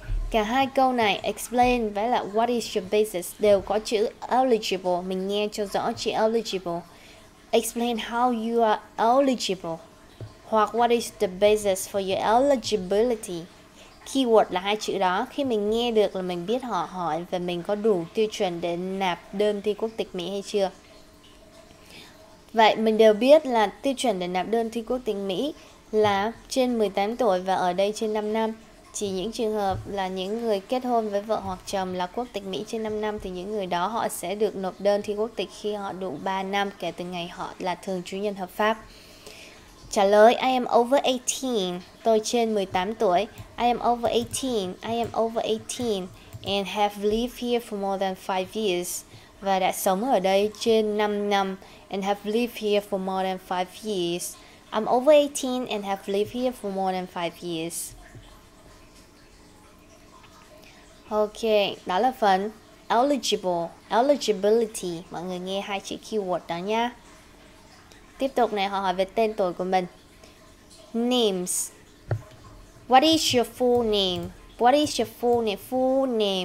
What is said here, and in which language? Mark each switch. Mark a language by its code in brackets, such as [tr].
[vi] Cả hai câu này explain với là [en] what is your basis [vi] đều có chữ eligible, mình nghe cho rõ chữ eligible. [en] Explain how you are eligible hoặc what is the basis for your eligibility. [vi] Keyword là hai chữ đó, khi mình nghe được là mình biết họ hỏi và mình có đủ tiêu chuẩn để nạp đơn thi quốc tịch Mỹ hay chưa. Vậy mình đều biết là tiêu chuẩn để nạp đơn thi quốc tịch Mỹ là trên 18 tuổi và ở đây trên 5 năm. Chỉ những trường hợp là những người kết hôn với vợ hoặc chồng là quốc tịch Mỹ trên 5 năm thì những người đó họ sẽ được nộp đơn thi quốc tịch khi họ đủ 3 năm kể từ ngày họ là thường trú nhân hợp pháp. Trả lời, [en] I am over 18. [vi] Tôi trên 18 tuổi. [en] I am over 18. I am over 18 and have lived here for more than 5 years. [vi] Và đã sống ở đây trên 5 năm [en] and have lived here for more than 5 years. I'm over 18 and have lived here for more than 5 years. [vi] Ok, đó là phần eligible, eligibility. Mọi người nghe hai chữ keyword đó nha. Tiếp tục này, họ hỏi về tên tuổi của mình. [en] Names. What is your full name? What is your full name? Full name.